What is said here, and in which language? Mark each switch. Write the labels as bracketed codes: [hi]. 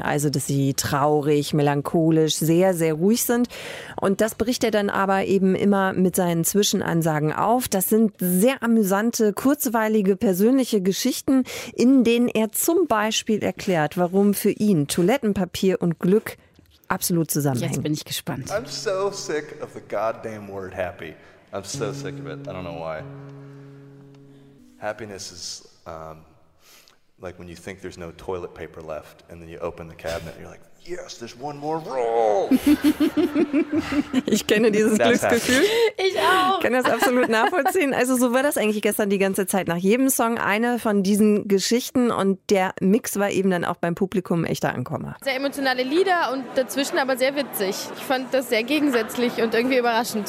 [de] Also, dass sie traurig, melancholisch, sehr, sehr ruhig sind. Und das bricht er dann aber eben immer mit seinen Zwischenansagen auf. Das sind sehr amüsante, kurzweilige, persönliche Geschichten, in denen er zum Beispiel erklärt, warum für ihn Toilettenpapier und Glück absolut zusammenhängen. Jetzt bin ich gespannt. [en] I'm so sick of the goddamn word happy. I'm so sick of it. I don't know why. Happiness is like when you think there's no toilet paper left and then you open the cabinet and you're like, yes, there's one more roll. [de] Ich kenne dieses [en] That's [de] Glücksgefühl. [en] Happy. [de] Ich auch. Ich kann das absolut nachvollziehen. Also so war das eigentlich gestern die ganze Zeit. Nach jedem Song eine von diesen Geschichten und der Mix war eben dann auch beim Publikum ein echter Ankommer. Sehr emotionale Lieder und dazwischen aber sehr witzig. Ich fand das sehr gegensätzlich und irgendwie überraschend.